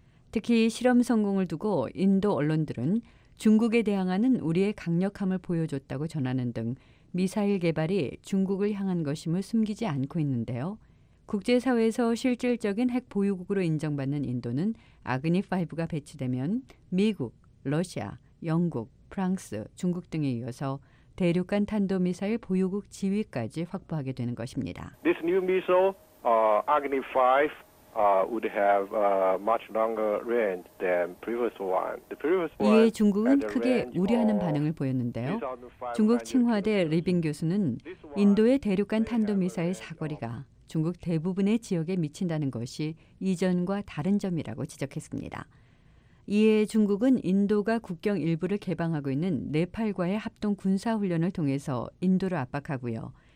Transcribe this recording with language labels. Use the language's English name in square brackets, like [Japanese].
[Korean] 특히 실험 성공을 두고 인도 언론들은 중국에 대항하는 우리의 강력함을 보여줬다고 전하는 등 미사일 개발이 중국을 향한 것임을 숨기지 않고 있는데요. 국제사회에서 실질적인 핵 보유국으로 인정받는 인도는 아그니5가 배치되면 미국, 러시아, 영국, 프랑스, 중국 등에 이어서 대륙 간 탄도미사일 보유국 지위까지 확보하게 되는 것입니다. [English] This new missile, Agni-5, would have much longer range than previous one. The previous one. [Korean] 이에 중국은 크게 우려하는 반응을 보였는데요. 중국 칭화대 리빈 교수는 인도의 대륙 간 탄도미사일 사거리가 중국 대부분의 지역에 미친다는 것이 이전과 다른 점이라고 지적했습니다. 이에 중국은 인도가 국경 일부를 개방하고 있는 네팔과의 합동 군사훈련을 통해서 인도를 압박하고요.